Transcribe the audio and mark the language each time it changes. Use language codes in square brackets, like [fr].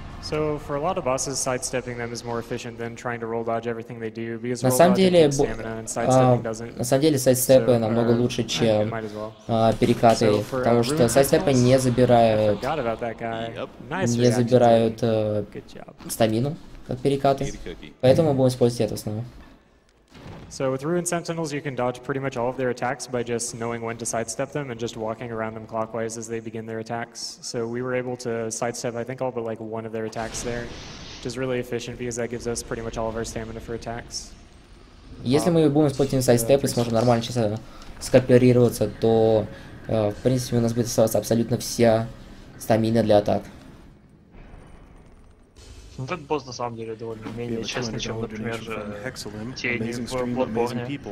[en] So for a lot of bosses, sidestepping them is more efficient than trying to roll dodge everything they do, because [ru] на самом деле, на самом деле сайдстепы намного лучше, чем перекаты, потому что сайдстепы не забирают, не забирают стамину, как перекаты. Поэтому мы будем использовать это снова. [en] So with Ruined Sentinels, you can dodge pretty much all of their attacks by just knowing when to sidestep them and just walking around them clockwise as they begin their attacks. So we were able to sidestep, I think, all but like one of their attacks there, which is really efficient because that gives us pretty much all of our stamina for attacks. [ru] Если мы будем использовать сайдстеп и сможем нормально сейчас скооперироваться, то в принципе у нас будет оставаться абсолютно вся стамина для атак. Ну, этот босс на самом деле довольно менее честный, чем, например, тени в Bloodborne.